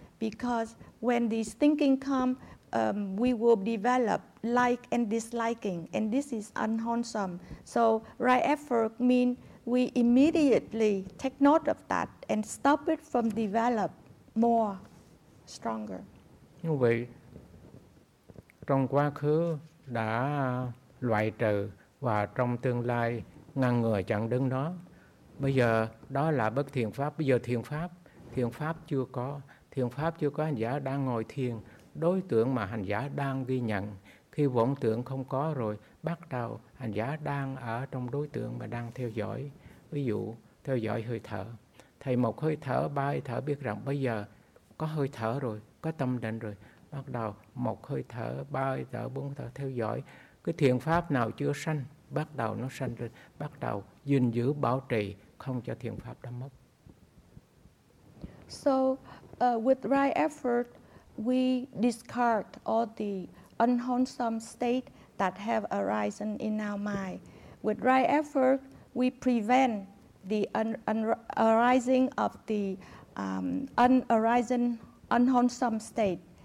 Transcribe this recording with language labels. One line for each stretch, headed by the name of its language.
English: Because when this thinking comes, we will develop like and disliking, and this is unwholesome. So right effort means we immediately take note of that and stop it from develop more, stronger.
Vietnamese: Như vậy, trong quá khứ đã loại trừ và trong tương lai ngăn ngừa chặn đứng đó. Bây giờ đó là bất thiện pháp. Bây giờ thiện pháp chưa có. Thiền pháp chưa có, hành giả đang ngồi thiền, đối tượng mà hành giả đang ghi nhận. Khi vọng tưởng không có rồi, bắt đầu hành giả đang ở trong đối tượng mà đang theo dõi. Ví dụ, theo dõi hơi thở. Thầy một hơi thở, ba hơi thở biết rằng bây giờ có hơi thở rồi, có tâm định rồi. Bắt đầu một hơi thở, ba hơi thở, bốn hơi thở theo dõi. Cái thiền pháp nào chưa sanh, bắt đầu nó sanh rồi. Bắt đầu gìn giữ, bảo trì, không cho thiền pháp đã mất.
English: So, with right effort, we discard all the unwholesome state that have arisen in our mind. With right effort, we prevent the arising of the unwholesome state.